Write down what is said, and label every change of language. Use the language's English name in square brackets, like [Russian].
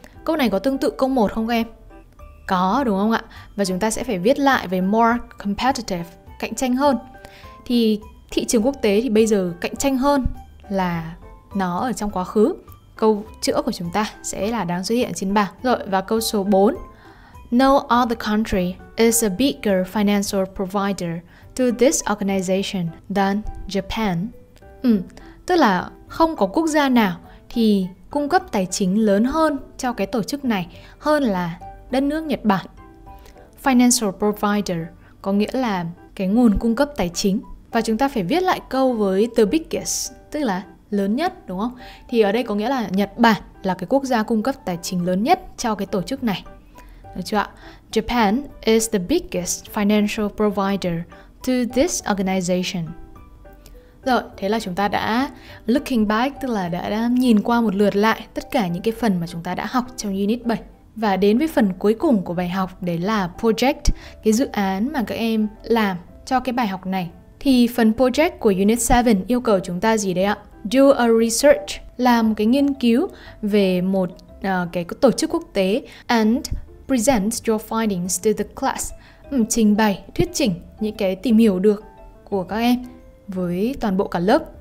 [Vietnamese] Câu này có tương tự câu 1 không các em? Có, đúng không ạ? Và chúng ta sẽ phải viết lại về [English] more competitive, [Vietnamese] cạnh tranh hơn. Thì thị trường quốc tế thì bây giờ cạnh tranh hơn là nó ở trong quá khứ. Câu chữa của chúng ta sẽ là đang xuất hiện trên bảng. Rồi, và câu số 4. [English] No other country is a bigger financial provider to this organization than Japan. [Vietnamese] Tức là không có quốc gia nào thì cung cấp tài chính lớn hơn cho cái tổ chức này hơn là đất nước Nhật Bản. [English] Financial provider [Vietnamese] có nghĩa là cái nguồn cung cấp tài chính. Và chúng ta phải viết lại câu với [English] the biggest, [Vietnamese] tức là lớn nhất, đúng không? Thì ở đây có nghĩa là Nhật Bản là cái quốc gia cung cấp tài chính lớn nhất cho cái tổ chức này. Được chưa ạ? [English] Japan is the biggest financial provider to this organization. [Vietnamese] Rồi, thế là chúng ta đã [English] looking back, [Vietnamese] tức là đã nhìn qua một lượt lại tất cả những cái phần mà chúng ta đã học trong unit 7. Và đến với phần cuối cùng của bài học, đấy là project, cái dự án mà các em làm cho cái bài học này. Thì phần project của unit 7 yêu cầu chúng ta gì đấy ạ? [English] Do a research, [Vietnamese] làm cái nghiên cứu về một cái tổ chức quốc tế [English] and present your findings to the class, [Vietnamese] trình bày, thuyết trình những cái tìm hiểu được của các em với toàn bộ cả lớp.